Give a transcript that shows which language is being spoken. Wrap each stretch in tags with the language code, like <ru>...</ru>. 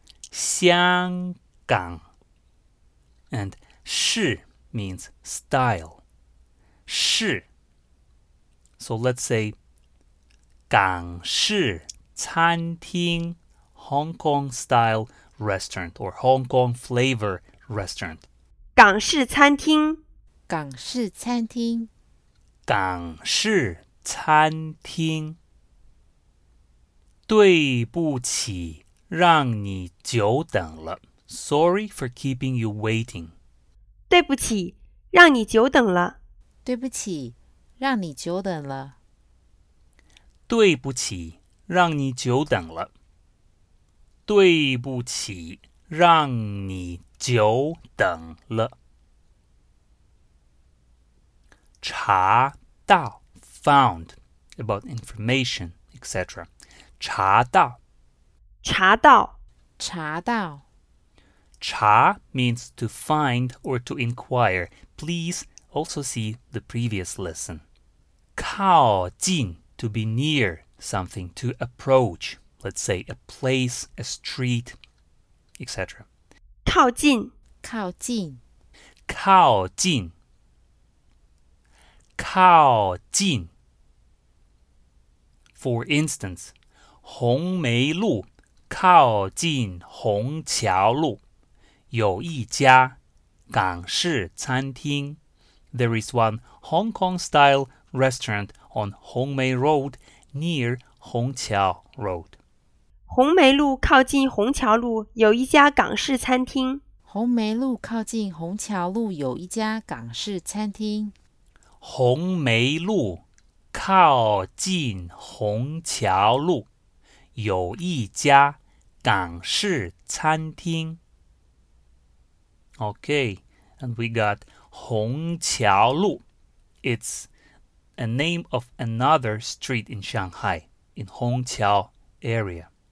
<en>香港 And 是 means style 是 So let's say 港式餐厅 Hong Kong style restaurant or Hong Kong flavor restaurant</en> <zh>港式餐厅港式餐厅港式餐厅对不起让你久等了</zh> <en>Sorry for keeping you waiting</en> <zh>对不起让你久等了对不起让你久等了对不起让你久等了对不起让你久等了查到</zh> <en>found about information, etc.</en> <zh>查到查到查到</zh> <en>查 means to find or to inquire. Please also see the previous lesson. 靠近 to be near something, to approach, let's say a place, a street, etc.</en> <zh>靠近靠近靠近靠近</zh> <en>For instance,</en> <zh>红梅路靠近虹桥路有一家港式餐厅</zh> <en>There is one Hong Kong-style restaurant on 红梅 Road near 虹桥 Road</en> <zh>红梅路靠近虹桥路有一家港式餐厅红梅路靠近虹桥路有一家港式餐厅红梅路靠近虹桥路有一家港式餐厅</zh> <en>OK, and we got 虹桥路 It's a name of another street in Shanghai, in 虹桥 area</en>